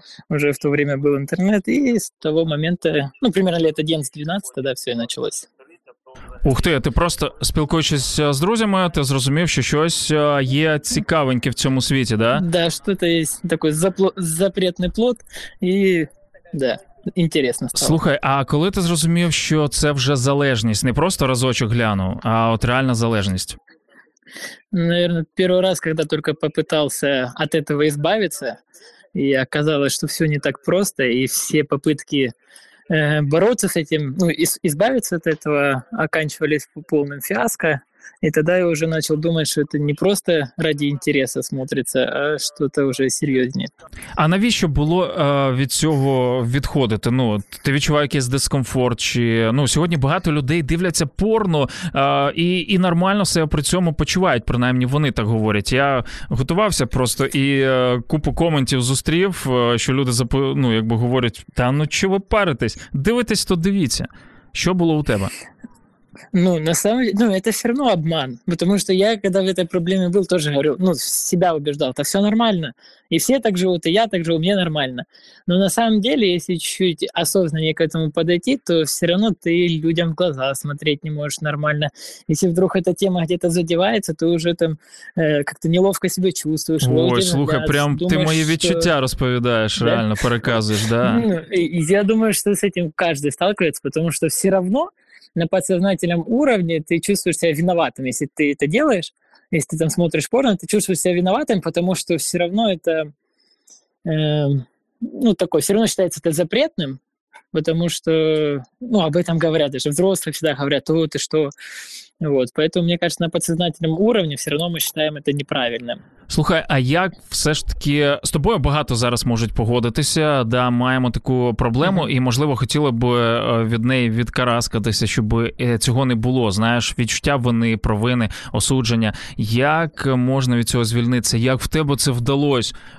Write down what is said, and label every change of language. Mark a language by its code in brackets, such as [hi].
[ru] Уже в то время был интернет, и с того момента, ну, примерно лет 11-12, тогда все и началось. [uk] Ух ти, ти просто, спілкуючись з друзями, ти зрозумів, що щось є цікавеньке в цьому світі, да? [ru] Да, что-то есть такой запретный плод, и да. [uk] Інтересно стало. Слухай, а коли ти зрозумів, що це вже залежність, не просто разочок глянув, а от реальна залежність? [ru] Наверное, первый раз, когда только попытался от этого избавиться, и оказалось, что все не так просто, и все попытки бороться с этим, ну, избавиться от этого, оканчивались полным фиаско. И тогда я уже начал думать, что это не просто ради интереса смотрится, а что-то уже серьезнее. [uk] А навіщо було від цього відходити? Ну, ти відчував якийсь дискомфорт? Чи, ну, сьогодні багато людей дивляться порно і нормально себе при цьому почувають, принаймні вони так говорять. Я готувався просто і купу коментів зустрів, що люди якби говорять, та ну чи ви паритесь? Дивитесь, то дивіться. Що було у тебе? [ru] Ну, на самом деле, ну, это все равно обман, потому что я, когда в этой проблеме был, тоже говорю, ну, себя убеждал, это все нормально, и все так живут, и я так живу, мне нормально. Но на самом деле, если чуть осознаннее к этому подойти, то все равно ты людям в глаза смотреть не можешь нормально. Если вдруг эта тема где-то задевается, то уже там как-то неловко себя чувствуешь. Ой, слухай, прям думаешь, ты мои відчуття что... розповідаешь, да? Реально, переказываешь, да? Ну, я думаю, что с этим каждый сталкивается, потому что все равно... На подсознательном уровне ты чувствуешь себя виноватым, если ты это делаешь, если ты там смотришь порно, ты чувствуешь себя виноватым, потому что все равно это, ну, такое, все равно считается это запретным, потому что, ну, об этом говорят, даже взрослые всегда говорят, вот и что, вот, поэтому, мне кажется, на подсознательном уровне все равно мы считаем это неправильным. [uk] Слухай, а як все ж таки з тобою багато зараз можуть погодитися, да, маємо таку проблему, і, можливо, хотіли б від неї відкараскатися, щоб цього не було, знаєш, відчуття вини, провини, осудження. Як можна від цього звільнитися? Як в тебе це вдалося?